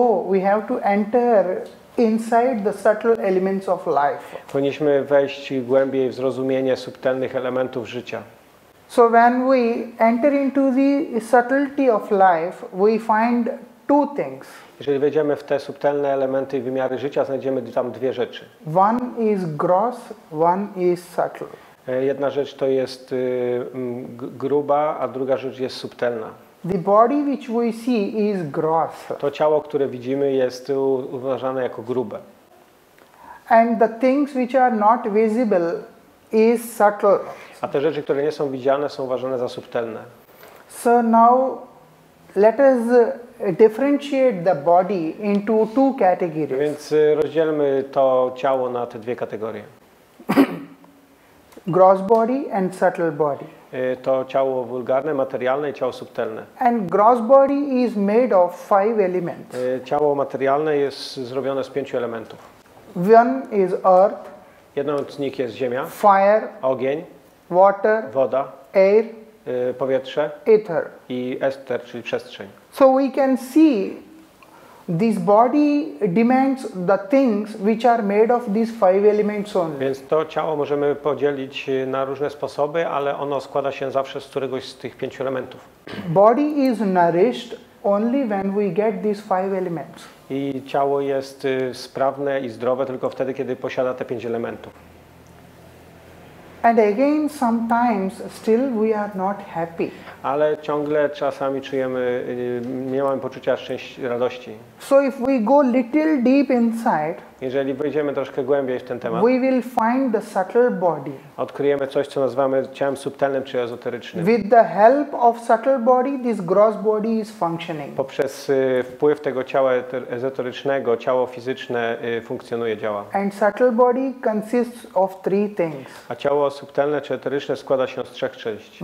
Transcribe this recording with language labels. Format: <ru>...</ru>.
<en>we have to enter inside the subtle elements of life.</en> <pl>Powinniśmy wejść głębiej w zrozumienie subtelnych elementów życia.</pl> <en>So when we enter into the subtlety of life, we find two things.</en> <pl>Jeżeli wejdziemy w te subtelne elementy i wymiary życia, znajdziemy tam dwie rzeczy.</pl> <en>One is gross, one is subtle.</en> <pl>Jedna rzecz to jest gruba, a druga rzecz jest subtelna.</pl> <en>The body which we see is gross.</en> <pl>To ciało, które widzimy, jest uważane jako grube.</pl> <en>And the things which are not visible is subtle.</en> <pl>A te rzeczy, które nie są widziane, są uważane za subtelne.</pl> <en>So now let us differentiate the body into two categories.</en> <pl>Więc rozdzielmy to ciało na te dwie kategorie.</pl> <en>Gross body and subtle body.</en> <pl>To ciało wulgarne, materialne i ciało subtelne.</pl> <en>And gross body is made of five elements.</en> <pl>Ciało materialne jest zrobione z pięciu elementów.</pl> <en>One is earth.</en> <pl>Jedną z nich jest ziemia.</pl> <en>Fire.</en> <pl>Ogień.</pl> <en>Water.</en> <pl>Woda.</pl> <en>Air.</en> <pl>Powietrze.</pl> <en>Ether.</en> <pl>I ester, czyli przestrzeń.</pl> <en>So we can see this body demands the things which are made of these five elements only.</en> <pl>Więc to ciało możemy podzielić na różne sposoby, ale ono składa się zawsze z któregoś z tych pięciu elementów.</pl> <en>Body is nourished only when we get these five elements.</en> <pl>I ciało jest sprawne i zdrowe tylko wtedy, kiedy posiada te pięć elementów.</pl> <en>And again, sometimes still we are not happy.</en> <pl>Ale ciągle czasami czujemy, nie mamy poczucia szczęścia, radości.</pl> <en>So if we go little deep inside,</en> <pl>jeżeli wejdziemy troszkę głębiej w ten temat,</pl> <en>we will find the subtle body.</en> <pl>Odkryjemy coś, co nazywamy ciałem subtelnym czy ezoterycznym.</pl> <en>With the help of subtle body, this gross body is functioning.</en> <pl>Poprzez wpływ tego ciała ezoterycznego, ciało fizyczne funkcjonuje, działa.</pl> <en>And subtle body consists of three things.</en> <pl>A ciało subtelne czy eteryczne składa się z trzech części.</pl>